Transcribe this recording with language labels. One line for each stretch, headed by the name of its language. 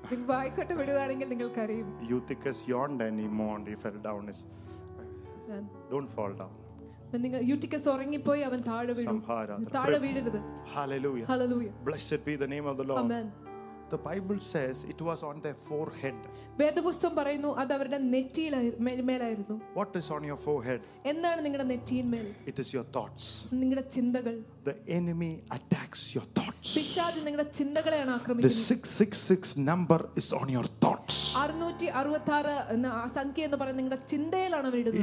Malayalam: വായിക്കോട്ട വിടുകയാണെങ്കിൽ നിങ്ങൾക്കറിയും.
English: Eutychus yawned and he mourned. He fell down. Don't fall down.
Malayalam: നിങ്ങൾ യൂട്ടിക്കസ് ഉറങ്ങിപ്പോയി അവൻ താഴെ വീഴും. താഴെ വീഴരുത്.
English: Hallelujah. Hallelujah. Blessed be the name of the Lord. Amen. The Bible says it was on their forehead.
Malayalam: വേദപുസ്തകം പറയുന്നു അത് അവരുടെ നെറ്റിയിൽ മേലായിരുന്നു.
English: What is on your forehead?
Malayalam: എന്താണ് നിങ്ങളുടെ നെറ്റിയിൽ മേൽ?
English: It is your thoughts.
Malayalam: നിങ്ങളുടെ ചിന്തകൾ.
English: The enemy attacks your thoughts.
Malayalam: പിശാച് നിങ്ങളുടെ ചിന്തകളെയാണ് ആക്രമിക്കുന്നത്.
English: The 666 number is on your thoughts.
Malayalam: 666 എന്ന സംഖ്യ എന്ന് പറയുന്നത് നിങ്ങളുടെ ചിന്തയിലാണ് വീഴുന്നത്.